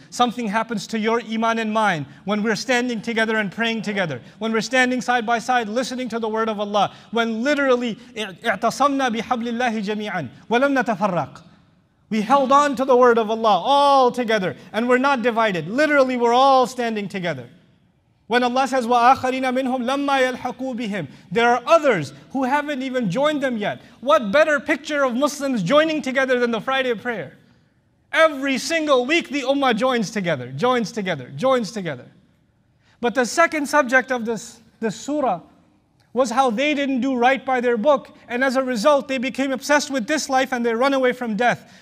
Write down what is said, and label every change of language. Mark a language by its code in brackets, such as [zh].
[en] Something happens to your iman and mine when we're standing together and praying together, when we're standing side by side listening to the word of Allah, when literally [ar] اعتصمنا بحبل الله جميعا ولم نتفرق. [en] We held on to the word of Allah all together, and we're not divided. Literally, we're all standing together. When Allah says, [ar] وَآخَرِينَ مِنْهُمْ لَمَّا يَلْحَقُوا بِهِمْ. [en] There are others who haven't even joined them yet. What better picture of Muslims joining together than the Friday prayer? Every single week the Ummah joins together. But the second subject of this surah was how they didn't do right by their book, and as a result they became obsessed with this life and they run away from death.